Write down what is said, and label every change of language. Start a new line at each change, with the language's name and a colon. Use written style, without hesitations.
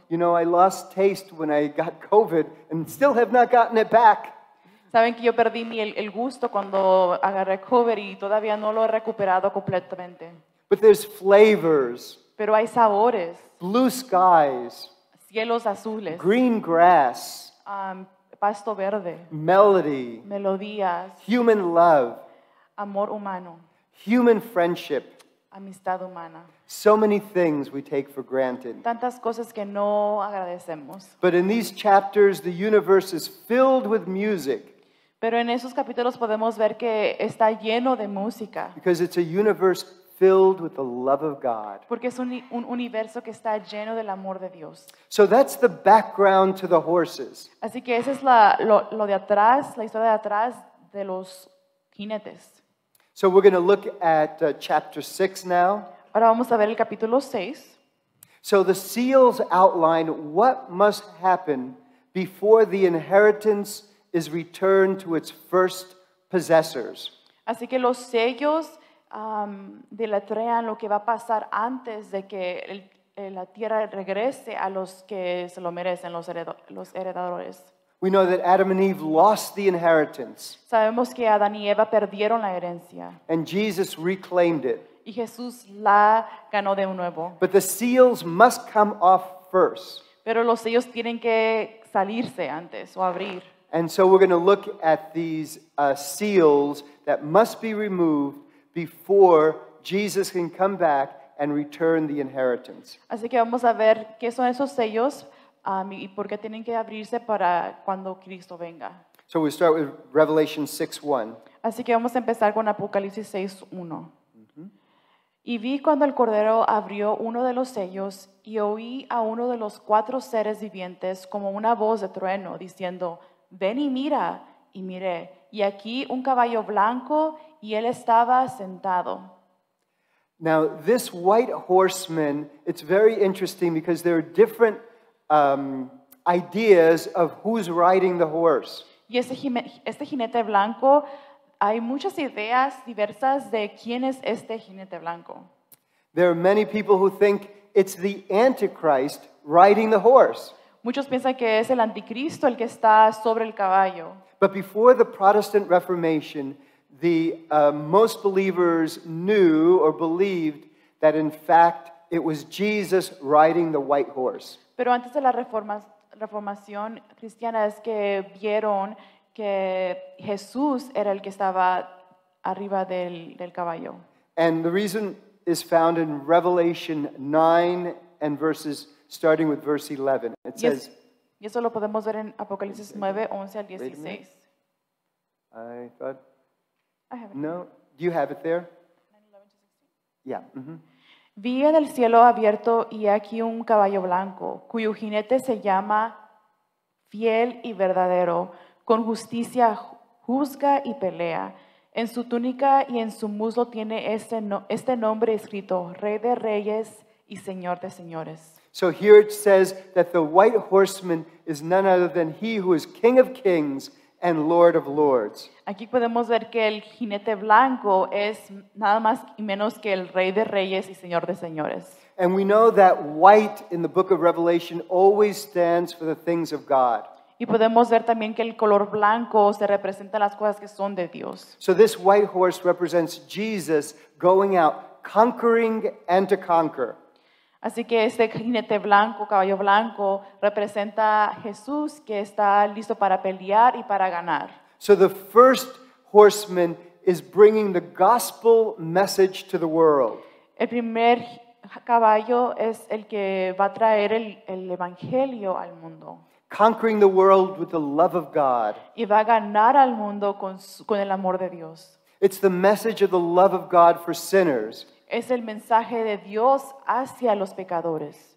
English: You know, I lost taste when I got COVID and still have not gotten it back.
Spanish: Saben que yo perdí el gusto cuando agarré COVID y todavía no lo he recuperado completamente.
English: But there's flavors.
Spanish: Pero hay sabores.
English: Blue skies.
Spanish: Cielos azules.
English: Green grass.
Spanish: Pasto verde.
English: Melody.
Spanish: Melodías.
English: Human love.
Spanish: Amor humano.
English: Human friendship.
Spanish: Amistad humana.
English: So many things we take for granted.
Spanish: Tantas cosas que no agradecemos.
English: But in these chapters, the universe is filled with music.
Spanish: Pero en esos capítulos podemos ver que está lleno de música.
English: Because it's a universe filled with the love of God.
Spanish: Porque es un universo que está lleno del amor de Dios.
English: So that's the background to the horses.
Spanish: Así que esa es lo de atrás, la historia de atrás de los jinetes.
English: So we're going to look at chapter 6 now.
Spanish: Ahora vamos a ver el capítulo 6.
English: So the seals outline what must happen before the inheritance is returned to its first possessors.
Spanish: Así que los sellos deletrean lo que va a pasar antes de que la tierra regrese a los que se lo merecen, los heredadores.
English: We know that Adam and Eve lost the inheritance.
Spanish: Sabemos que Adán y Eva perdieron la herencia.
English: And Jesus reclaimed it.
Spanish: Y Jesús la ganó de nuevo.
English: But the seals must come off first.
Spanish: Pero los sellos tienen que salirse antes o abrir.
English: And so we're going to look at these seals that must be removed before Jesus can come back and return the inheritance.
Spanish: Así que vamos a ver qué son esos sellos y por qué tienen que abrirse para cuando Cristo venga.
English: So we start with Revelation 6:1.
Spanish: Así que vamos a empezar con Apocalipsis 6:1. Y vi cuando el Cordero abrió uno de los sellos y oí a uno de los cuatro seres vivientes como una voz de trueno diciendo, ven y mira, y miré, y aquí un caballo blanco y él estaba sentado.
English: Now, this white horseman, it's very interesting because there are different ideas of who's riding the horse.
Spanish: Y este jinete blanco, hay muchas ideas diversas de quién es este jinete blanco.
English: There are many people who think it's the Antichrist riding the horse.
Spanish: Muchos piensan que es el anticristo el que está sobre el caballo.
English: But before the Protestant Reformation, the most believers knew or believed that in fact it was Jesus riding the white horse.
Spanish: Pero antes de la reformación cristiana es que vieron que Jesús era el que estaba arriba del caballo.
English: And the reason is found in Revelation 9 and verses starting with verse 11. It says,
Spanish: y eso lo podemos ver en Apocalipsis 9, 11 al 16.
English: I thought, I have it. No, do you have it there? 9:11-16. Yeah. Mm-hmm.
Spanish: Vi en el cielo abierto y aquí un caballo blanco, cuyo jinete se llama Fiel y Verdadero, con justicia juzga y pelea. En su túnica y en su muslo tiene este nombre escrito, Rey de Reyes y Señor de Señores.
English: So here it says that the white horseman is none other than he who is King of Kings and Lord of Lords.
Spanish: Aquí podemos ver que el jinete blanco es nada más y menos que el Rey de Reyes y Señor de Señores.
English: And we know that white in the book of Revelation always stands for the things of God.
Spanish: Y podemos ver también que el color blanco se representa las cosas que son de Dios.
English: So this white horse represents Jesus going out, conquering and to conquer.
Spanish: Así que este jinete blanco, caballo blanco, representa a Jesús que está listo para pelear y para ganar.
English: So the first horseman is bringing the gospel message to the world.
Spanish: El primer caballo es el que va a traer el evangelio al mundo.
English: Conquering the world with the love of God.
Spanish: Y va a ganar al mundo con el amor de Dios.
English: It's the message of the love of God for sinners.
Spanish: Es el mensaje de Dios hacia los pecadores.